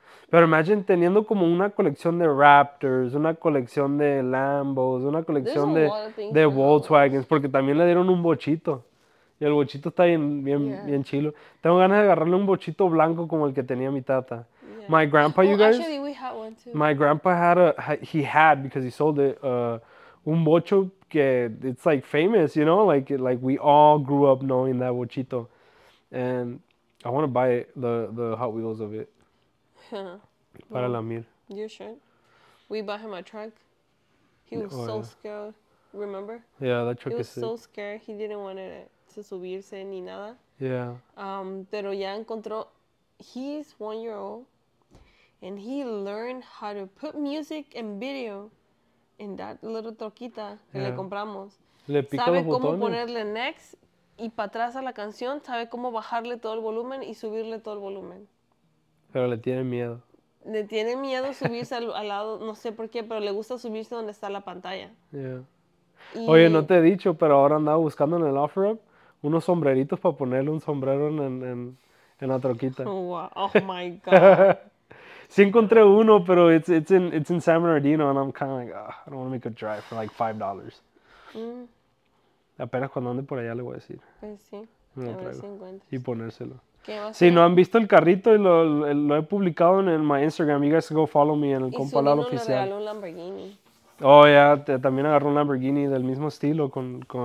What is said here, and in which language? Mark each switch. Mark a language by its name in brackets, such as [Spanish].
[Spanish] Pero imagine teniendo como una colección de Raptors, una colección de Lambos, una colección de Volkswagens, porque también le dieron un bochito. Y el bochito está bien, bien, bien chilo. Tengo ganas de agarrarle un bochito blanco como el que tenía mi tata. [English] Yeah. My grandpa, well, you guys... actually, we had one, too. My grandpa had a... He had, because he sold it, [Spanish] un bocho que... [English] It's, like, famous, you know? Like we all grew up knowing that bochito. And I want to buy the Hot Wheels of it. [Spanish] Yeah. Para la mil. [English] You should. We bought him a truck. He was scared. Remember? Yeah, that truck is sick. He was so scared. He didn't want it to [Spanish] subirse ni nada. [English] Yeah. [Spanish] Pero ya encontró... [English] He's 1 year old. And he learned how to put music and video in that little [Spanish] troquita que le compramos. Le pica sabe los cómo botones. Ponerle next y para atrás a la canción. Sabe cómo bajarle todo el volumen y subirle todo el volumen. Pero le tiene miedo. Le tiene miedo subirse al lado, no sé por qué, pero le gusta subirse donde está la pantalla. [English] Yeah. [Spanish] Oye, no te he dicho, pero ahora andaba buscando en el OfferUp unos sombreritos para ponerle un sombrero en la troquita. [English] Oh, wow. Oh my God. [Spanish] Sí encontré uno, pero [English] it's in San Bernardino, and I'm kind of like, oh, I don't want to make a drive for like $5. Mm. [Spanish] Apenas cuando ande por allá le voy a decir. Pues sí, a ver si encuentras. Y ponérselo. Si no han visto el carrito y lo he publicado en mi Instagram, [English] you guys can go follow me [Spanish] en el compalado oficial. Y su hijo le regaló un Lamborghini. Oh, ya, yeah, también agarró un Lamborghini del mismo estilo con